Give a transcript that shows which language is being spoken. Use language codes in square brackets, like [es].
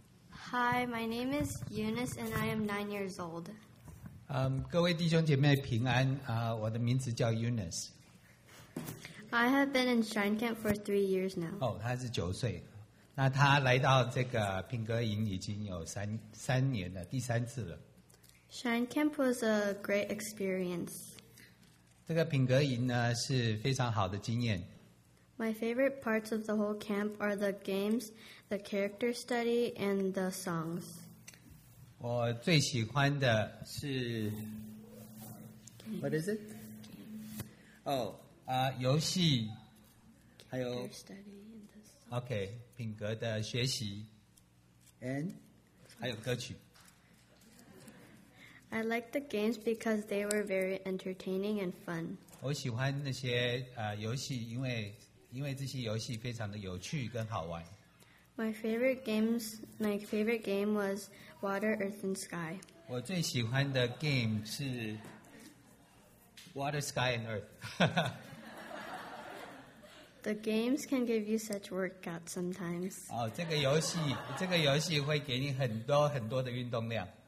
[en] Hi, my name is Eunice, and I am 9 years old. [zh] 各位弟兄姐妹平安。我的名字叫 Eunice. [en] I have been in Shrine Camp for 3 years now. [zh] 他是九岁，那他来到这个品格营已经有三年了，第三次了。 [en] Shrine Camp was a great experience. [zh] 这个品格营呢是非常好的经验。 [en] My favorite parts of the whole camp are the games, the character study, and the songs. [zh] 我最喜欢的是 [en] What is it? Oh, [zh] 游戏，还有 [en] character study and the songs. Okay, [zh] 品格的学习 [en] And [zh] 还有歌曲 [en] I like the games because they were very entertaining and fun. [zh] 我喜欢那些游戏，因为这些游戏非常的有趣跟好玩。 [en] My favorite game was Water, Earth, and Sky. [zh] 我最喜欢的 game 是 Water, Sky, and Earth. [en] The games can give you such workout sometimes. [zh] 这个游戏会给你很多很多的运动量。